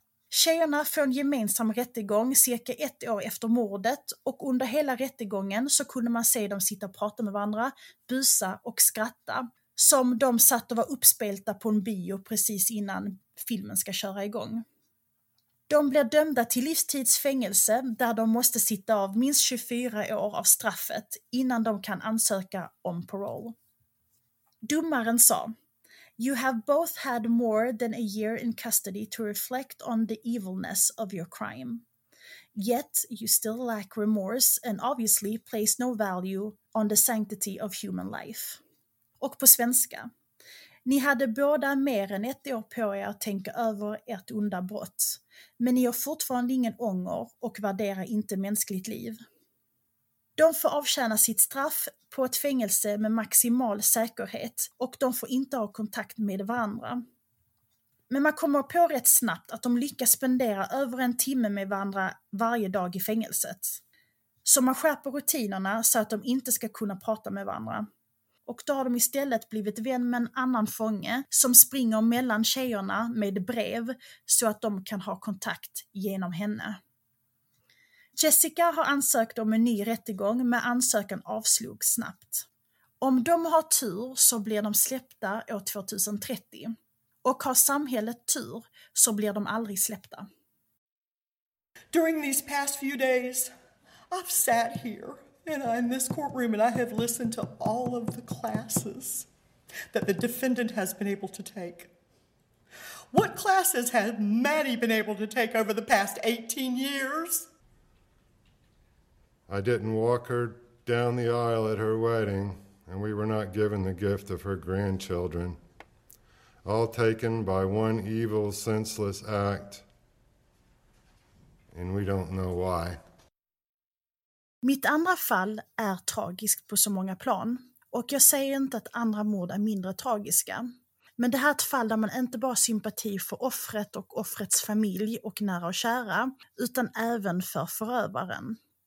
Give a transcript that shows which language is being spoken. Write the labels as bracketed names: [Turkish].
[Swedish] Tjejerna får en gemensam rättegång cirka 1 år efter mordet och under hela rättegången så kunde man se dem sitta och prata med varandra, busa och skratta. Som de satt och var uppspelta på en bio precis innan filmen ska köra igång. De blir dömda till livstidsfängelse där de måste sitta av minst 24 år av straffet innan de kan ansöka om parole. [English] Domaren sa: "You have both had more than a year in custody to reflect on the evilness of your crime. Yet you still lack remorse and obviously place no value on the sanctity of human life." [Swedish] Och på svenska: "Ni hade båda mer än 1 år på er att tänka över ert onda brott, men ni har fortfarande ingen ånger och värderar inte mänskligt liv." De får avtjäna sitt straff på ett fängelse med maximal säkerhet och de får inte ha kontakt med varandra. Men man kommer på rätt snabbt att de lyckas spendera över en timme med varandra varje dag i fängelset. Så man skärper rutinerna så att de inte ska kunna prata med varandra. Och då har de istället blivit vän med en annan fånge som springer mellan tjejerna med brev så att de kan ha kontakt genom henne. Jessica har ansökt om en ny rättegång men ansökan avslogs snabbt. Om de har tur så blir de släppta år 2030. Och har samhället tur så blir de aldrig släppta. [English] During these past few days I've sat here. And I'm in this courtroom and I have listened to all of the classes that the defendant has been able to take. What classes has Maddie been able to take over the past 18 years? I didn't walk her down the aisle at her wedding, and we were not given the gift of her grandchildren, all taken by one evil, senseless act, and we don't know why. [Swedish] Mitt andra fall är tragiskt på så många plan, och jag säger inte att andra mord är mindre tragiska. Men det här är ett fall där man inte bara har sympati för offret och offrets familj och nära och kära, utan även för förövaren.